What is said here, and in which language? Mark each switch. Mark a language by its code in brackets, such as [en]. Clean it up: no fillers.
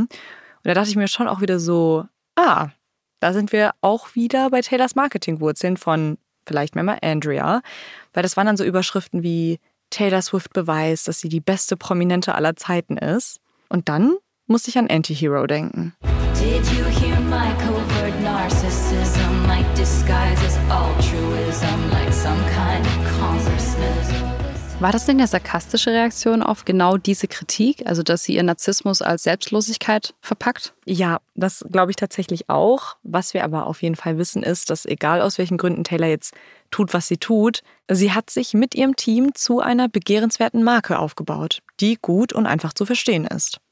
[de] Und da dachte ich mir schon auch wieder so, ah, da sind wir auch wieder bei Taylors Marketingwurzeln von vielleicht Mama Andrea. Weil das waren dann so Überschriften wie Taylor Swift beweist, dass sie die beste Prominente aller Zeiten ist. Und dann musste ich an Anti-Hero denken. [en] Did you hear my covert narcissism like disguises altruism like some kind of consciousness? [de] War das denn eine sarkastische Reaktion auf genau diese Kritik, also dass sie ihren Narzissmus als Selbstlosigkeit verpackt? Ja, das glaube ich tatsächlich auch. Was wir aber auf jeden Fall wissen ist, dass egal aus welchen Gründen Taylor jetzt tut, was sie tut, sie hat sich mit ihrem Team zu einer begehrenswerten Marke aufgebaut, die gut und einfach zu verstehen ist.